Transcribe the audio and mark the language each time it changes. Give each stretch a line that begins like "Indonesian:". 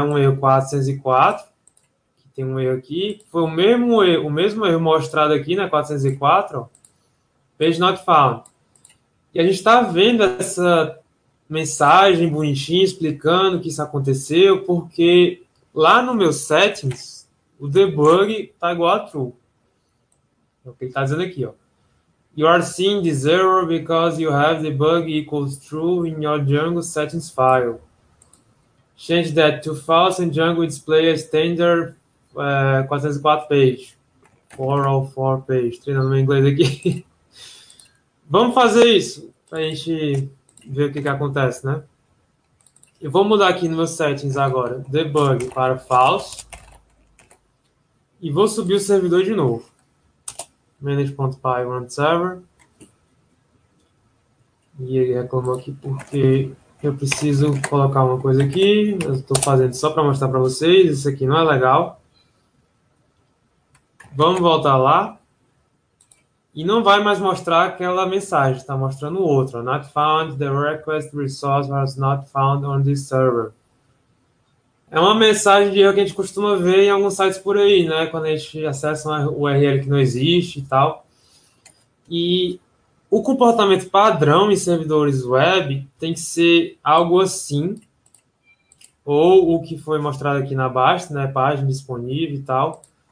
Portuguese: Um erro 404. Tem um erro aqui, foi o mesmo erro mostrado aqui na, né, 404, ó,
English: page not found.
Portuguese: E a gente está vendo essa mensagem bonitinha explicando que isso aconteceu, porque lá no meu settings, o debug está igual a true. Ele está dizendo aqui, ó.
English: You are seeing this error because you have the bug equals true in your Django settings file. Change that to false and Django display a standard 404 page. 404 page.
Portuguese: Treinando meu inglês aqui. Vamos fazer isso para a gente ver o que, que acontece, né? Eu vou mudar aqui no meu settings agora, debug para false. E vou subir o servidor de novo. Manage.py run server. E ele reclamou aqui porque eu preciso colocar uma coisa aqui. Eu estou fazendo só para mostrar para vocês. Isso aqui não é legal. Vamos voltar lá. E não vai mais mostrar aquela mensagem. Está mostrando outra.
English: Not found. The request resource was not found on this server.
Portuguese: É uma mensagem de erro que a gente costuma ver em alguns sites por aí, né? Quando a gente acessa uma URL que não existe e tal. E o comportamento padrão em servidores web tem que ser algo assim. Ou o que foi mostrado aqui na Baster, né? Página disponível e tal.